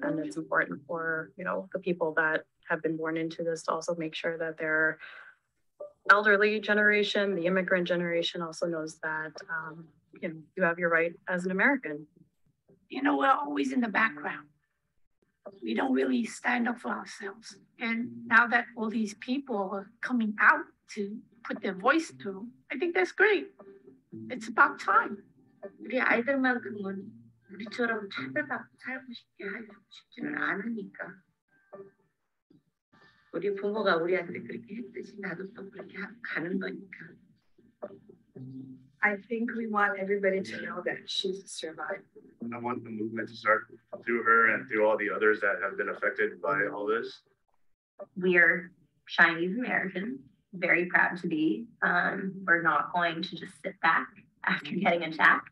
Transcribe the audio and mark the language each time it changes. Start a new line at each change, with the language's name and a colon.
English: And it's important for, you know, the people that have been born into this to also make sure that their elderly generation, the immigrant generation, also knows that you know, you have your right as an American. You know, we're always in the background. We don't really stand up for ourselves. And now that all these people are coming out to put their voice through, I think that's great. It's about time.
Korean: 우리 아이들만큼은 우리처럼 차별받고 살고 싶게 하고 싶지는 않으니까. 우리 부모가 우리한테 그렇게 했듯이 나도 또 그렇게 가는 거니까.
English: I think we want everybody to know that she's a survivor. And I want the movement to start through her and through all the others that have been affected by all this. We are Chinese American, very proud to be. We're not going to just sit back after getting attacked.